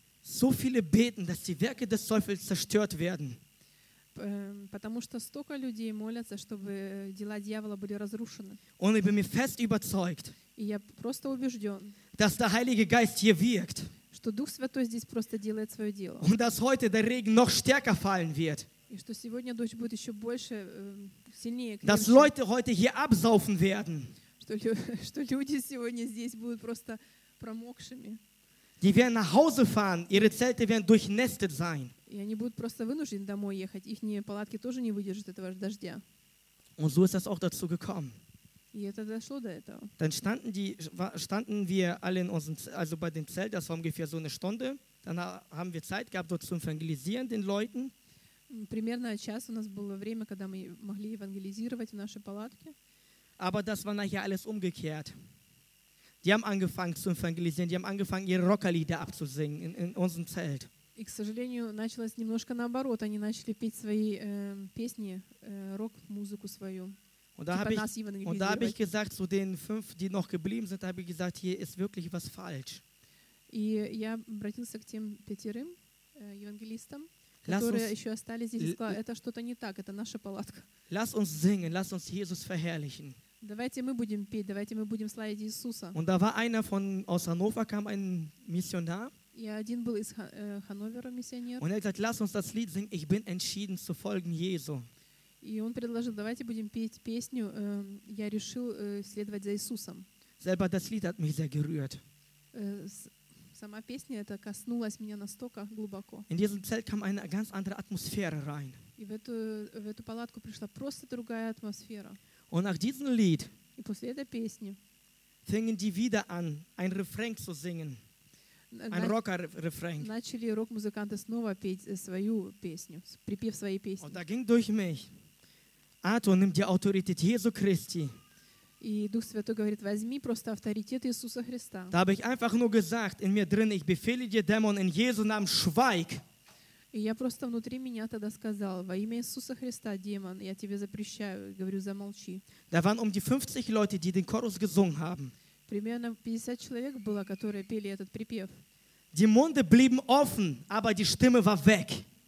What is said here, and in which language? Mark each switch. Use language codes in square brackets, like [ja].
[de] so viele beten, dass die Werke des Teufels zerstört werden. [ru] Потому что столько людей молятся, чтобы дела дьявола были разрушены. [de] Und ich bin mir fest überzeugt, [ru] и я просто убежден, [de] dass der Heilige Geist hier wirkt, [ru] что Дух Святой здесь просто делает свое дело. [de] Und dass heute der Regen noch stärker fallen wird. [ru] И что сегодня дождь будет еще больше, сильнее, крепче. [de] Dass Leute heute hier absaufen werden. [ru] Что люди сегодня здесь будут просто промокшими. [de] Die werden nach Hause fahren, ihre Zelte werden durchnässt sein. [ru] И они будут просто вынуждены домой ехать. Их палатки тоже не выдержат этого дождя. [de] Und so ist das auch dazu gekommen. [ru] И это дошло до этого. [de] Dann standen wir alle in unserem, also bei dem Zelt, das war ungefähr so eine Stunde. Dann haben wir Zeit gehabt, dort zu evangelisieren den Leuten. [ru] Примерно час у нас было время, когда мы могли евангелизировать в нашей палатке. [de] Aber das war nachher alles umgekehrt. Die haben angefangen zu evangelisieren, die haben angefangen, ihre Rockerlieder abzusingen in unserem Zelt. [ru] И, к сожалению, началось немножко наоборот. Они начали петь свои песни, рок-музыку свою. [de] Und da habe ich gesagt, zu den fünf, die noch geblieben sind, habe ich gesagt, hier ist wirklich was falsch. [ru] И я обратился к тем пятерым евангелистам, которые еще остались здесь, и сказал, это что-то не так, это наша палатка. [de] Lass uns singen, lass uns Jesus verherrlichen. [ru] Давайте мы будем петь, давайте мы будем славить Иисуса. [de] Und da war einer von, aus Hannover kam ein Missionar. [ru] Я один был из Ханновера миссионер. [de] Und er hat gesagt, lass uns das Lied singen. Ich bin entschieden zu folgen Jesu. [ru] И он предложил, давайте будем петь песню. Я решил следовать за Иисусом. [de] Selber das Lied hat mich sehr gerührt. [ru] Сама песня это коснулась меня настолько глубоко. [de] In diesem Zelt kam eine ganz andere Atmosphäre rein. [ru] И в эту палатку пришла просто другая атмосфера. [de] Und nach diesem Lied. [ru] И после этой песни. [de] Fingen die wieder an, ein Refrain zu singen. Ein Rocker-Refrain. [ru] Начали рок-музыканты снова петь свою песню, припев своей песни. [de] Und da ging durch mich. Arthur, nimm die Autorität Jesu Christi. [ru] И Дух Святой говорит, возьми просто авторитет Иисуса Христа. [de] Da habe ich einfach nur gesagt, in mir drin, ich befehle dir, Dämon, in Jesu Namen, schweig. [ru] И я просто внутри меня тогда сказал, во имя Иисуса Христа, демон, я тебе запрещаю, говорю, замолчи. [de] Da waren um die 50 Leute, die den Chorus gesungen haben. [ru] Примерно 50 человек было, которые пели этот припев. [de] Die Munde blieben offen, aber die Stimme war weg.